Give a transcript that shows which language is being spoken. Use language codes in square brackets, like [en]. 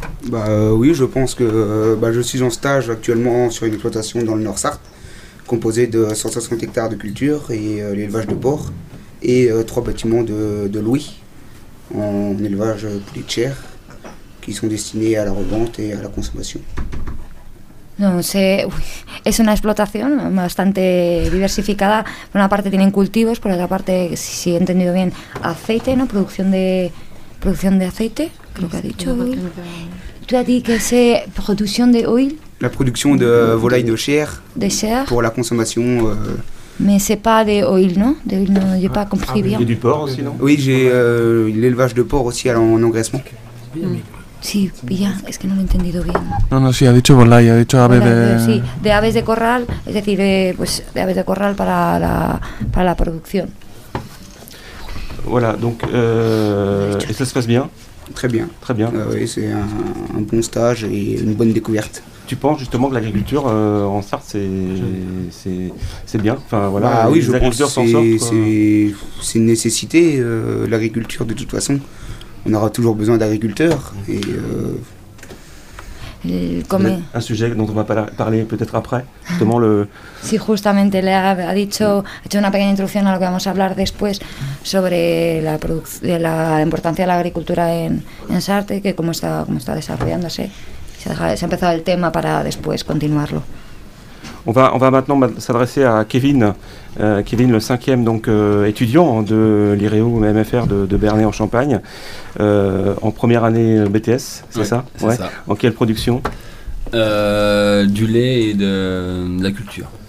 [fr] Oui, je pense que je suis en stage actuellement sur une exploitation dans le Nord Sarthe, composé de 160 hectares de culture et l'élevage de porcs et trois bâtiments de louis en élevage poulet de chair qui sont destinés à la revente et à la consommation. [es] Donc es una explotación bastante diversificada. Por una parte tienen cultivos, por otra parte, si he entendido bien, aceite, ¿no? Producción de aceite, creo que ha dicho. [fr] Tu as dit que c'est production de huile? La production de volailles de chair. De chair. Pour la consommation. Mais c'est pas de huile, non? De huile, non, j'ai pas compris bien. Et du porc aussi, non? Oui, j'ai l'élevage de porc aussi en engraissement. [es] Sí, bien, es que no lo he entendido bien. No, sí, ha dicho volailles, ha dicho aves de... Sí, de aves de corral, es decir, de aves de corral para la producción. [fr] Voilà, donc, et ça se passe bien? Très bien, très bien. Oui, c'est un bon stage et une bonne découverte. tu penses justement que l'agriculture en Sarthe c'est bien, enfin voilà. Ah oui, je pense que c'est une nécessité, l'agriculture, de toute façon on aura toujours besoin d'agriculteurs. Et comme un sujet dont on va parler peut-être après, justement le... [es] Sí, justamente, le ha dicho, ha hecho una pequeña introducción a lo que vamos a hablar después sobre la la importancia de la agricultura en Sarthe, que cómo está desarrollándose. Se ha empezado el tema para después continuarlo. [fr] On va maintenant s'adresser à Kevin, Kevin le cinquième donc, étudiant de l'IREO MFR de Bernay en Champagne, en première année BTS, c'est ça. En quelle production? Du lait et de la culture.